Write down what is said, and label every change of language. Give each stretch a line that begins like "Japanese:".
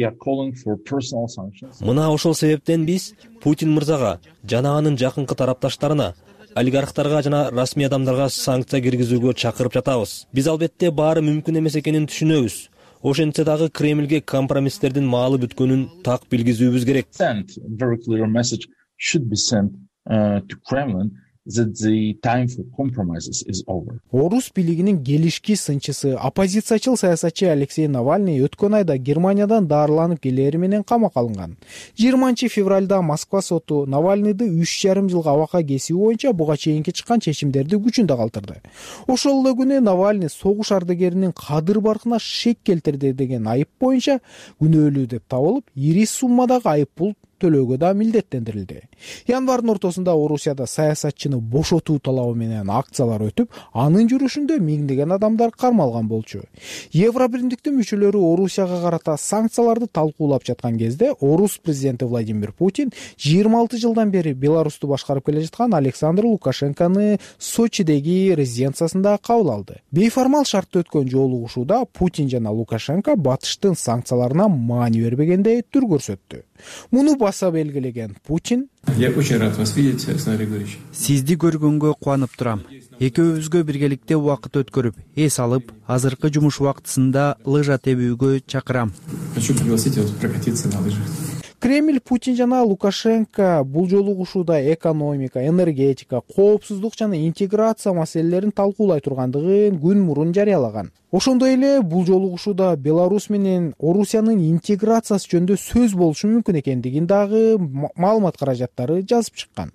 Kyrgyz: Мына ошол себептен биз Путин мырзага жана анын жакынкы тарапташтарына, олигархтарга жана расмий адамдарга санкция киргизүүгө чакырып жатабыз. Биз албетте баары мүмкүн эмес экенин түшүнөбүз. Ошентсе дагы Кремльге компромисстердин маалы бүткөнүн так билгизүүбүз керек.
English: To Kremlin that the time for compromises is over.
Kyrgyz: Орус бийлигинин келишки сынчысы, оппозициячыл саясатчы Алексей Навальный өткөн айда Германиядан дарыланып келери менен камакка алынган. 20 февральда Москва соту Навальныйды 3,5 жылга абакка кесүү боюнча буга чейинки чыккан чечимдерди күчүндө калтырды. Ошол эле күнү Навальный согуш ардыгеринин кадыр баркына шек келтирди деген айып боюнча күнөөлүү деп табылып, ири суммадагы айыппул төлөөгө да милдеттендирилди. Январдын ортосунда Орусияда саясатчыны бошотуу талабы менен акциялар өтүп, анын жүрүшүндө миңдеген адамдар кармалган болчу. Евробиримдиктин мүчөлөрү Орусияга карата санкцияларды талкуулап жаткан кезде орус президенти Владимир Путин 26 жылдан бери Беларусту башкарып келе жаткан Александр Лукашенконы Сочидеги резиденциясында кабыл алды. Бейформал шартта өткөн жолугушууда Путин жана Лукашенко батыштын санкцияларына маани бербегенде түр көрсөттү. Муну баса белгилеген Путин:
Russian: Я очень рад вас видеть, Александр Григорьевич.
Kyrgyz: Сизди көргөнгө кубанып турам. Экөөбүзгө биргеликте убакыт өткөрүп, эс алып, азыркы жумуш убактысында лыжа тебүүгө чакырам.
Russian: Хочу пригласить вас прокатиться на лыжах.
Kyrgyz: Кремль, Путин жана Лукашенко бул жолугушууда экономика, энергетика, коопсуздук жана интеграция маселелерин талкуулай тургандыгын күн мурун жарыялаган. Ошондой эле бул жолугушууда Беларусь менен Орусиянын интеграциясы жөнүндө сөз болушу мүмкүн экендигин дагы маалымат каражаттары жазып чыккан.